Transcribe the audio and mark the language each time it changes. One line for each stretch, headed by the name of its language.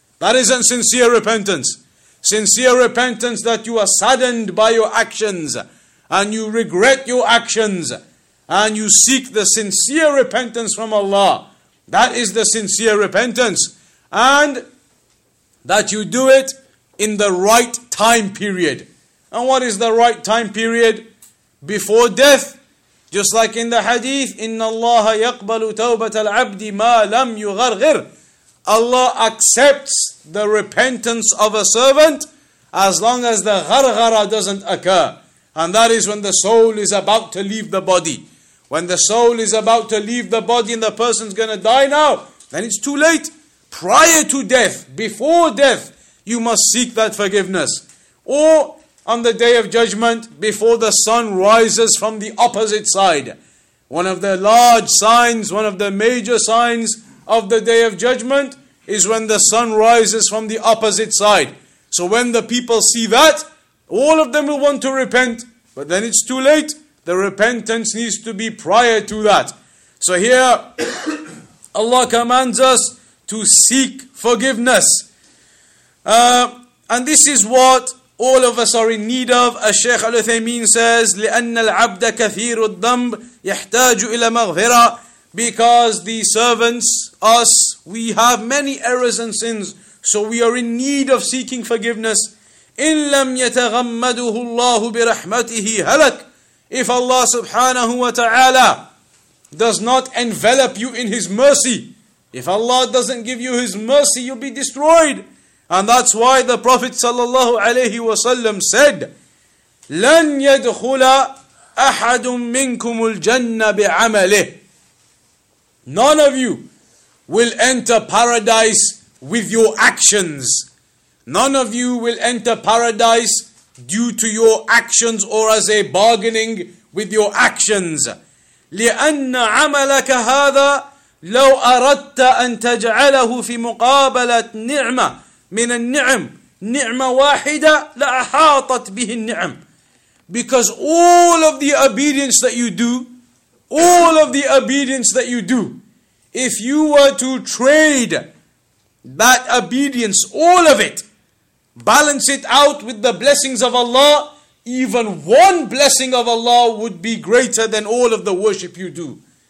English: That isn't sincere repentance. Sincere repentance that you are saddened by your actions, and you regret your actions, and you seek the sincere repentance from Allah. That is the sincere repentance. And that you do it in the right time period. And what is the right time period? Before death. Just like in the hadith,
Arabic: إِنَّ اللَّهَ يَقْبَلُ تَوْبَةَ الْعَبْدِ مَا لَمْ يُغَرْغِرْ.
English: Allah accepts the repentance of a servant as long as the غَرْغَرَ doesn't occur. And that is when the soul is about to leave the body. When the soul is about to leave the body and the person's going to die now, then it's too late. Prior to death, before death, you must seek that forgiveness. Or on the day of judgment, before the sun rises from the opposite side. One of the large signs, one of the major signs of the day of judgment is when the sun rises from the opposite side. So when the people see that, all of them will want to repent, but then it's too late. The repentance needs to be prior to that. So here, Allah commands us to seek forgiveness. And this is what all of us are in need of. As Shaykh Al Uthaymeen says,
Arabic: لِأَنَّ الْعَبْدَ كَثِيرُ الدَّمْبِ يَحْتَاجُ إِلَى مَغْفِرَةٍ.
English: Because the servants, us, we have many errors and sins, so we are in need of seeking forgiveness.
Arabic: إِن لَمْ يَتَغَمَّدُهُ اللَّهُ بِرَحْمَتِهِ هَلَكْ.
English: If Allah subhanahu wa ta'ala does not envelop you in His mercy, if Allah doesn't give you His mercy, you'll be destroyed. And that's why the Prophet sallallahu alayhi wa sallam said,
Arabic: لَنْ يَدْخُلَ أَحَدٌ مِّنْكُمُ الْجَنَّةِ بِعَمَلِهِ.
English: None of you will enter paradise with your actions. None of you will enter paradise due to your actions or as a bargaining with your actions.
Arabic: لِأَنَّ عَمَلَكَ هَذَا لَوْ أَرَدْتَ أَن تَجْعَلَهُ فِي مُقَابَلَةِ نِعْمَةٍ من النعم نعمة واحدة لأحاطت به النعم.
English: Because all of the obedience that you do, all of the obedience that you do, if you were to trade that obedience, all of it, balance it out with the blessings of Allah, even one blessing of Allah would be greater than all of the worship you do.